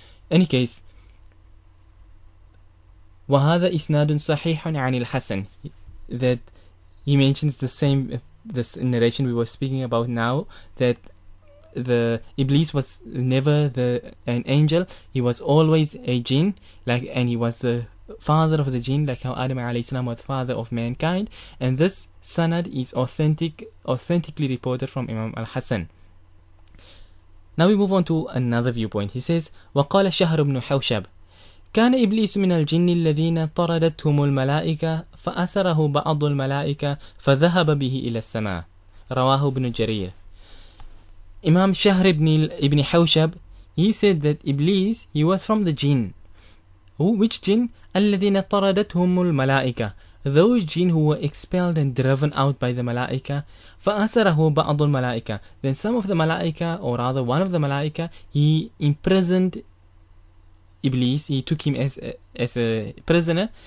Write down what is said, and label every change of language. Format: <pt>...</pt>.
<en>Any case,</en> <ar>وَهَذَا إِسْنَادٌ صَحِيحٌ عَنِ الْحَسَنِ,</ar> <en>that he mentions the same, this narration we were speaking about now, that the Iblis was never an angel, he was always a jinn, like, and he was the father of the jinn, like how Adam alayhi salam was father of mankind, and this sanad is authentically reported from Imam al-Hasan. Now we move on to another viewpoint. He says,</en> <ar>وقال شهر بن حوشب كان إبليس من الجن الذين طردتهم الملائكة فأسره بعض الملائكة فذهب به إلى السماء. رواه ابن جرير.</ar> <en>Imam Shahr ibn</en> <ar>حوشب,</ar> <en>he said that Iblis, he was from the jinn. Which jinn?</en> <ar>الَّذِينَ طَرَدَتْهُمُ الْمَلَائِكَةِ</ar> <en>Those jinn who were expelled and driven out by the malaika.</en> <ar>فَأَسَرَهُ بَعْضُ الْمَلَائِكَةِ</ar> <en>Then some of the malaika, or rather one of the malaika, he imprisoned Iblis, he took him as a prisoner.</en>